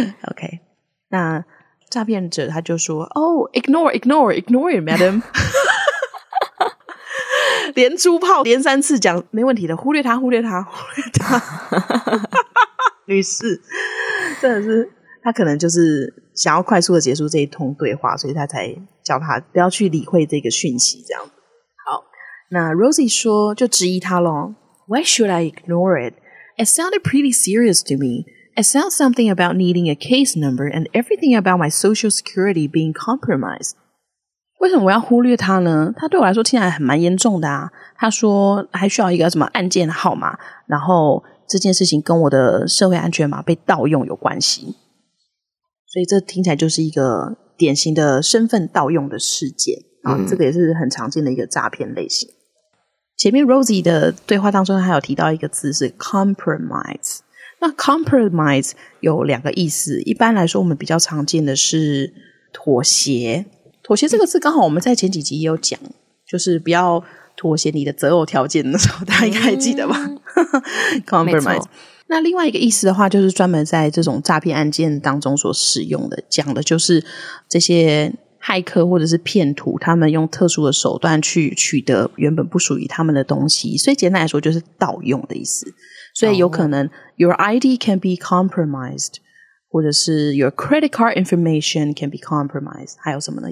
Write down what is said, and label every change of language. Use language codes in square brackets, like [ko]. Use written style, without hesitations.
[zh] OK， 那诈骗者他就说 Ignore it madam 连珠炮连三次讲没问题的，忽略他忽略他忽略他。女士真的是，他可能就是想要快速的结束这一通对话，所以他才叫他不要去理会这个讯息这样。好，那 Rosie 说就质疑他咯， Why should I ignore it? [en] It sounded pretty serious to me. It sounds something about needing a case number and everything about my social security being compromised. [zh] 为什么我要忽略他呢？他对我来说听起来很蛮严重的啊。他说还需要一个什么案件号码，然后这件事情跟我的社会安全码被盗用有关系。所以这听起来就是一个典型的身份盗用的事件啊，这个也是很常见的一个诈骗类型。前面 Rosie 的对话当中还有提到一个字是 compromise， 那 compromise 有两个意思，一般来说我们比较常见的是妥协。妥协这个字刚好我们在前几集也有讲，就是不要妥协你的择偶条件的时候，大家应该还记得吧。 [en] compromise。 [zh] 那另外一个意思的话，就是专门在这种诈骗案件当中所使用的，讲的就是这些骇客或者是骗徒，他们用特殊的手段去取得原本不属于他们的东西，所以简单来说就是盗用的意思。所以有可能 your ID can be compromised，或者是 your credit card information can be compromised，还有什么呢？